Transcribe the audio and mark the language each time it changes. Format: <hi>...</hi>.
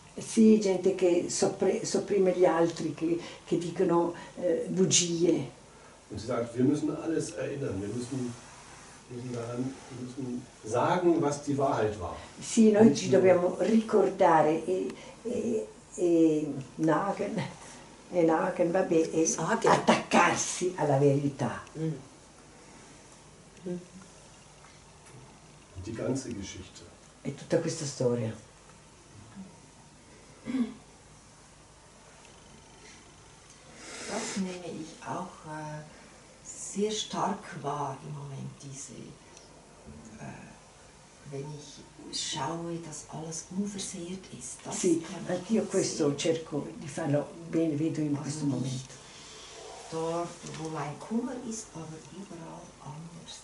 <it>Sì, gente che sopprime gli altri, che dicono bugie.</it> <de>Und sie sagt, wir müssen alles erinnern, wir müssen sagen, was die Wahrheit war.</de> <it>Sì, noi ci dobbiamo ricordare e nagen, e nagen, vabbè, e sagen. Attaccarsi alla verità.</it> <de>Mm. Die ganze Geschichte.</de> <it>E tutta questa storia.</it> <de>Das nehme ich auch sehr stark wahr im Moment, diese, wenn ich schaue, dass alles unversehrt ist.</de> <it>Das sì, anch'io questo cerco di farlo bene, vedo in questo nicht momento.</it> <de>Dort, wo mein Kummer ist, aber überall anders.</de>